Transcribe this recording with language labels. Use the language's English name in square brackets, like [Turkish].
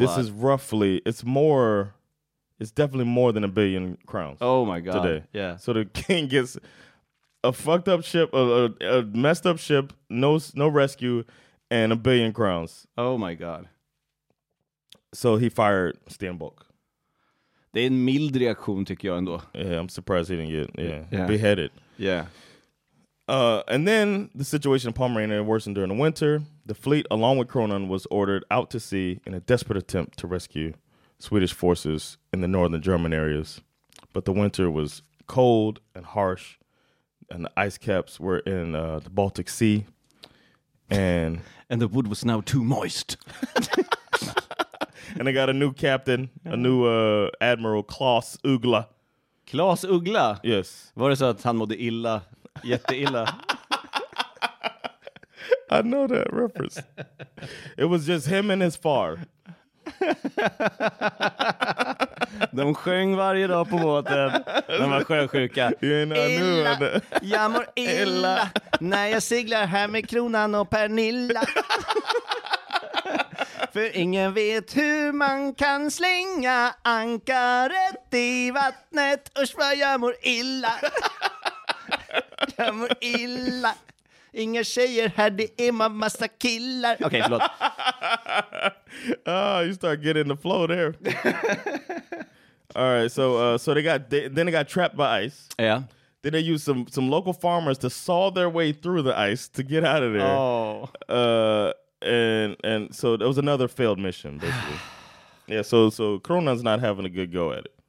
[English] This is roughly, it's definitely more than 1 billion crowns. Oh my God. Today. Yeah. So the king gets a fucked up ship, a messed up ship, no rescue, and 1 billion crowns. Oh my God. So he fired Stenbock. [Swedish] Det är en mild reaktion tycker jag ändå. [English] Yeah, I'm surprised he didn't get beheaded. Yeah. And then the situation in Pomerania worsened during the winter. The fleet, along with Kronan, was ordered out to sea in a desperate attempt to rescue Swedish forces in the northern German areas. But the winter was cold and harsh, and the ice caps were in the Baltic Sea. And and the wood was now too moist. And they got a new captain, a new admiral, Klaus Uggla. Klaus Uggla? Yes. [Swedish] Var det så att han mådde illa, jätteilla? [English] I know that reference. It was just him and his far. [Swedish] De sjöng varje dag på båten. De var sjösjuka. Illa, jag mår illa när jag seglar här med Kronan och Pernilla. För ingen vet hur man kan slänga ankaret i vattnet. Usch vad jag mår illa. Jag mår illa. Inga tjejer här, det är man massa killar. Okej, förlåt. [English] Oh, you start getting the flow there. All right, so they got trapped by ice. Yeah. Then they used some local farmers to saw their way through the ice to get out of there. Oh. And so it was another failed mission, basically. Yeah, so Kronan's not having a good go at it.